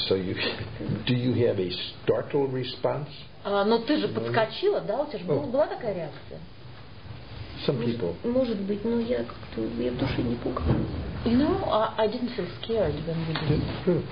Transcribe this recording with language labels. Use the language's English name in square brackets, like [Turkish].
[English] So you do you have a startle response? [Russian] Но ты же подскочила, да? У тебя же была такая реакция. [English] Some people. [Russian] Может быть, но я как-то я в душе не пугалась. [English] You know, I didn't feel scared when you did it.